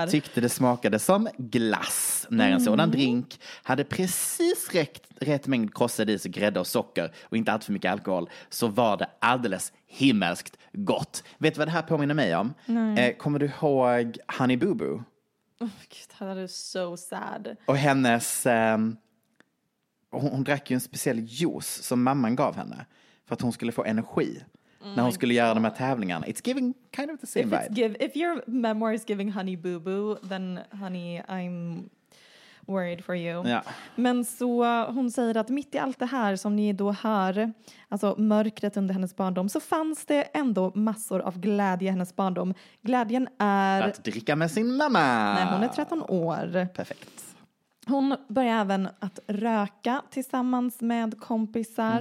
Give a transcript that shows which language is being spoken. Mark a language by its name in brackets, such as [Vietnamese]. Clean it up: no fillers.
[Swedish] Jag tyckte det smakade som glass när en sådan drink hade precis rätt mängd krossad is, grädde och socker och inte allt för mycket alkohol, så var det alldeles himmelskt gott. Vet du vad det här påminner mig om? Nej. Kommer du ihåg Honey Boo Boo? Oh, gud, han är så sad. Och hennes... hon drack ju en speciell juice som mamman gav henne. För att hon skulle få energi. Oh, när hon skulle göra de här tävlingarna. [English] It's giving kind of the same vibe. If your memoir is giving Honey Boo Boo, then honey, I'm worried for you. [Swedish] Ja. Men så hon säger att mitt i allt det här som ni då hör, alltså mörkret under hennes barndom, så fanns det ändå massor av glädje i hennes barndom. Glädjen är... att dricka med sin mamma! Nej, hon är 13 år. Perfekt. Hon börjar även att röka tillsammans med kompisar.